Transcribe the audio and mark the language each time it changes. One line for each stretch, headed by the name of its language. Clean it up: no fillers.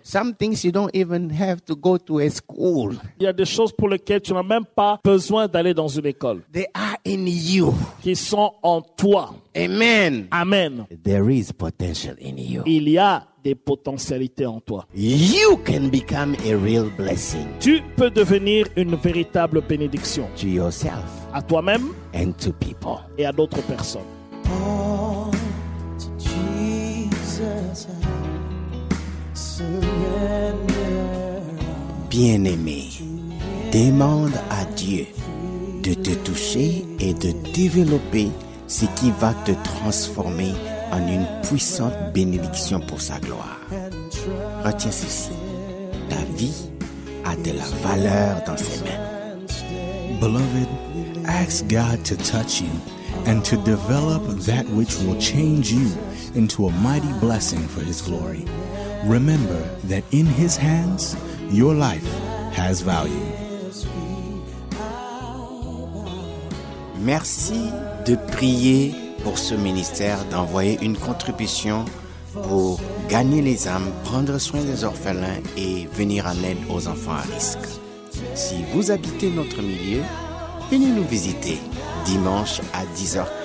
English: some things you don't even have to go to a school.
French: Il y a des choses pour lesquelles tu n'as même pas besoin d'aller dans une école.
English: They are in you.
French: Qui sont en toi.
English: Amen.
French: Amen.
English: There is potential in you.
French: Il y a des potentialités en toi.
English: You can become a real blessing.
French: Tu peux devenir une véritable bénédiction.
English: To yourself.
French: À toi-même.
English: And to people.
French: Et à d'autres personnes.
English: All to Jesus, I surrender.
French: Bien-aimé, demande à Dieu de te toucher et de développer ce qui va te transformer en une puissante bénédiction pour sa gloire. Retiens ceci, ta vie a de la valeur dans ses mains.
English: Beloved, ask God to touch you and to develop that which will change you into a mighty blessing for His glory. Remember that in His hands, your life has value.
French: Merci de prier pour ce ministère, d'envoyer une contribution pour gagner les âmes, prendre soin des orphelins et venir en aide aux enfants à risque. Si vous habitez notre milieu, venez nous visiter dimanche à 10h.